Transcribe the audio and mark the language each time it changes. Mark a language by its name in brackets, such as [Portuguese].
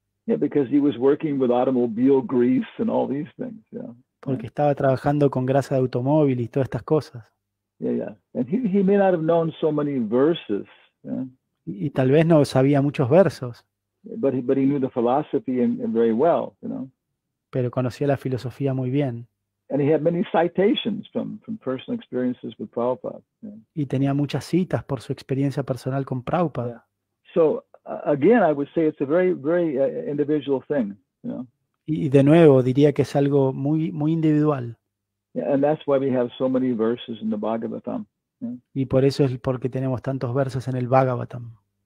[English] Yeah, because he was working with automobile grease and all these things. [Spanish] Porque estaba trabajando con grasa de automóvil y todas estas cosas. [English] And he may not have known so many verses. [Spanish] Y tal vez no sabía muchos versos. [English] But he knew the philosophy very well, [Spanish] Pero conocía la filosofía muy bien. [English] And he had many citations from personal experiences with Prabhupada. [Spanish] Y tenía muchas citas por su experiencia personal con Prabhupada. [English] So again, I would say it's a very, very individual thing, [Spanish] Y de nuevo diría que es algo muy, muy individual. [English] And that's why we have so many verses in the Bhagavatam. [Spanish] Y por eso es porque tenemos tantos versos en el Bhagavatam.